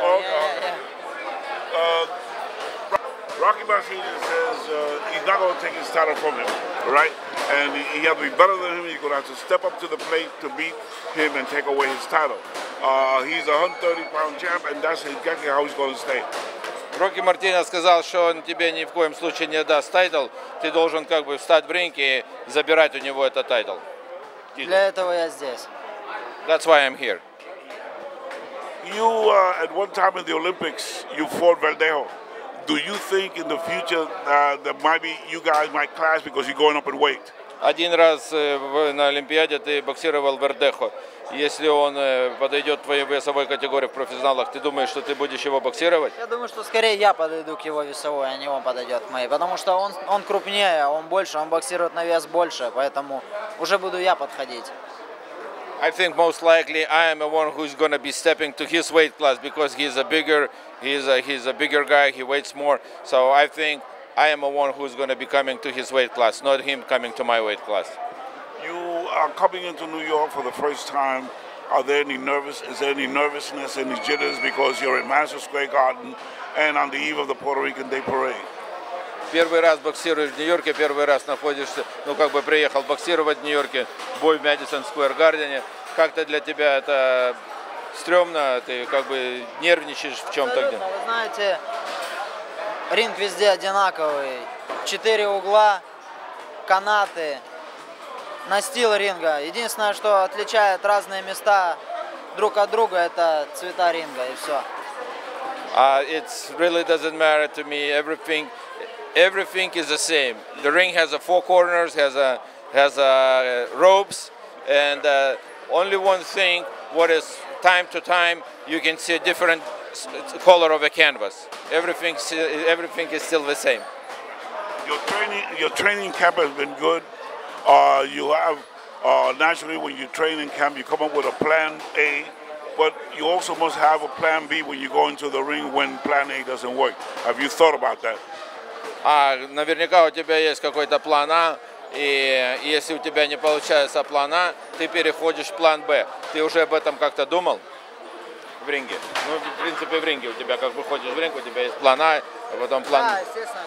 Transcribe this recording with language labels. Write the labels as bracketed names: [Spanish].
[English] Oh, okay. Rocky Martinez says he's not gonna take his title from him, right? And he has to be better than him. He's gonna have to step up to the plate to beat him and take away his title. He's a 130-pound champ, and that's exactly how he's gonna stay. [Russian] Рокки Мартинес сказал, что он тебе ни в коем случае не даст тайтл. Ты должен как бы встать в ринг и забирать у него этот тайтл. Для этого я здесь. [English] That's why I'm here. You at one time in the Olympics, you fought Verdejo. Do you think in the future that maybe you guys might clash because you're going up in weight? [Russian] Один раз на Олимпиаде ты боксировал Вердехо. Если он подойдет к твоей весовой категории в профессионалах, ты думаешь, что ты будешь его боксировать? Я думаю, что скорее я подойду к его весовой, а не он подойдет к моей. Потому что он крупнее, он больше, он боксирует на вес больше, поэтому уже буду я подходить. [English] I think most likely I am the one who is going to be stepping to his weight class, because he's a bigger, he's a bigger guy, he weighs more. So I think I am the one who is going to be coming to his weight class, not him coming to my weight class. You are coming into New York for the first time. Are there any nervousness, any jitters because you're in Madison Square Garden and on the eve of the Puerto Rican Day Parade? [Russian] Первый раз боксируешь в Нью-Йорке, первый раз находишься, как бы приехал боксировать в Нью-Йорке, бой в Madison Square Garden. Как-то для тебя это стрёмно, ты как бы нервничаешь в чём-то где? Вы знаете, ринг везде одинаковый. Четыре угла, канаты. Настил ринга. Единственное, что отличает разные места друг от друга, это цвета ринга и все. [English] It really doesn't matter to me. Everything is the same. The ring has a four corners, has a ropes, and only one thing. What is time to time, you can see a different color of a canvas. Everything is still the same. Your training camp has been good. You have, naturally, when you train in camp, you come up with a plan A, but you also must have a plan B when you go into the ring when plan A doesn't work. Have you thought about that? [Russian] Наверняка у тебя есть какой-то план А, и если у тебя не получается план А, ты переходишь в план Б. Ты уже об этом как-то думал? В ринге. В принципе, в ринге. У тебя как выходишь в ринг, у тебя есть план А, а потом план... Да, естественно.